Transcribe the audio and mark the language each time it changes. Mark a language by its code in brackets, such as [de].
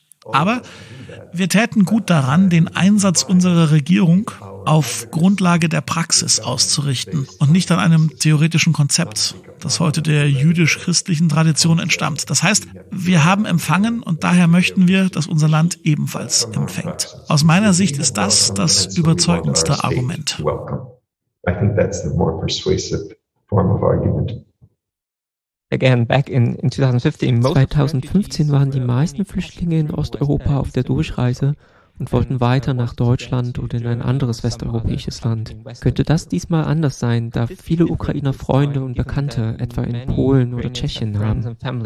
[de] Aber wir täten gut daran, den Einsatz unserer Regierung auf Grundlage der Praxis auszurichten und nicht an einem theoretischen Konzept, das heute der jüdisch-christlichen Tradition entstammt. Das heißt, wir haben empfangen und daher möchten wir, dass unser Land ebenfalls empfängt. Aus meiner Sicht ist das das überzeugendste Argument. [en] I think that's the more persuasive form of argument. Again, back in [de] 2015 waren die meisten Flüchtlinge in Osteuropa auf der Durchreise und wollten weiter nach Deutschland oder in ein anderes westeuropäisches Land. Könnte das diesmal anders sein, da viele Ukrainer Freunde und Bekannte etwa in Polen oder Tschechien haben?